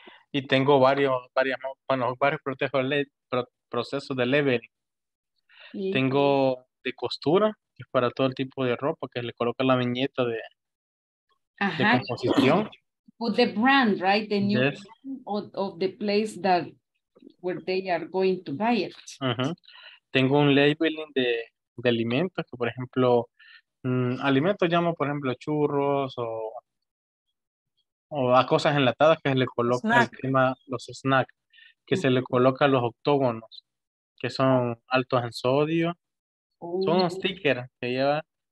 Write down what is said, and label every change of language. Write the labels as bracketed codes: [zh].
[es] Y tengo varios procesos de labeling. Tengo de costura, que es para todo el tipo de ropa, que le coloca la viñeta de composición. [en] With the brand, right? The new brand of the place that where they are going to buy it. Uh-huh. [es] Tengo un labeling de alimentos, que por ejemplo. Alimentos llamo, por ejemplo, churros o a cosas enlatadas que se le coloca encima los snacks, que se le coloca los octógonos, que son altos en sodio. Son un sticker que lleva